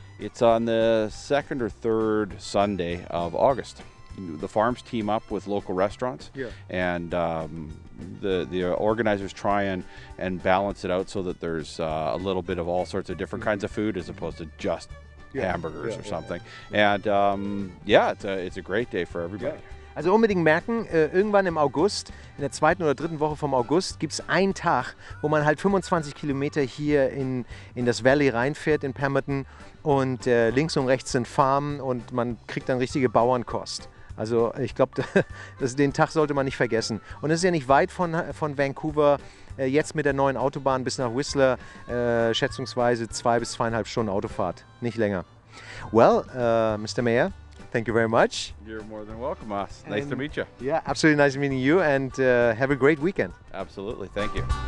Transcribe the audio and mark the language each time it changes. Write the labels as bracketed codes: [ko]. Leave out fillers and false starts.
[en] It's on the second or third Sunday of August. The farms team up with local restaurants, and the organizers try and balance it out so that there's a little bit of all sorts of different kinds of food as opposed to just hamburgers or something. And it's a great day for everybody. Yeah. [de] Also unbedingt merken, irgendwann im August, in der zweiten oder dritten Woche vom August, gibt es einen Tag, wo man halt 25 Kilometer hier in das Valley reinfährt, in Pemberton. Und links und rechts sind Farmen und man kriegt dann richtige Bauernkost. Also ich glaube, den Tag sollte man nicht vergessen. Und es ist ja nicht weit von Vancouver, jetzt mit der neuen Autobahn bis nach Whistler, schätzungsweise 2 bis 2,5 Stunden Autofahrt, nicht länger. [en] Well, Mr. Mayor. Thank you very much. You're more than welcome, Os. Nice to meet you. Yeah, absolutely nice meeting you, and have a great weekend. Absolutely, thank you.